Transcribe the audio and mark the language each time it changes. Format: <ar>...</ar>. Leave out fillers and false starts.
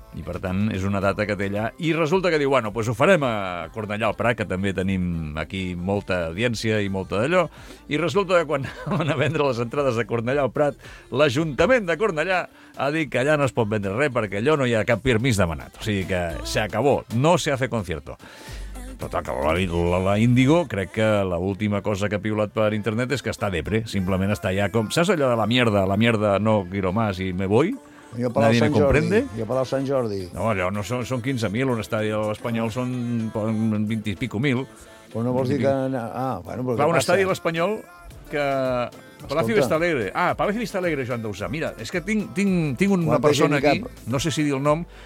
<ca>I, per tant, és una data que té allà. I resulta que diu, bueno, doncs ho farem a Cornellà al Prat, que també tenim aquí molta audiència i molta d'allò. I resulta que quan van a vendre les entrades a Cornellà al Prat, l'Ajuntament de Cornellà ha dit que allà no es pot vendre res perquè allò no hi ha cap permís demanat.</ca> <es>O sigui que se acabó, no se hace concierto.</es> <ca>Total, que la Índigo, crec que l'última cosa que ha piulat per internet és que està depre, simplement està allà com... Saps allò de la</ca> <es>mierda, no quiero más y me voy?</es> <ca>Jo a Palau Sant Jordi. Jo a Palau Sant Jordi. No, allò no són 15.000, un estadi de l'Espanyol són 20 i pico mil. Però no vols dir que... Ah, bueno, però clar, un estadi de l'Espanyol que Palacio Vistalegre. Ah, Palacio Vistalegre, Joan Dausà. Mira, és que tinc una persona aquí, no sé si dir el nom.</ca>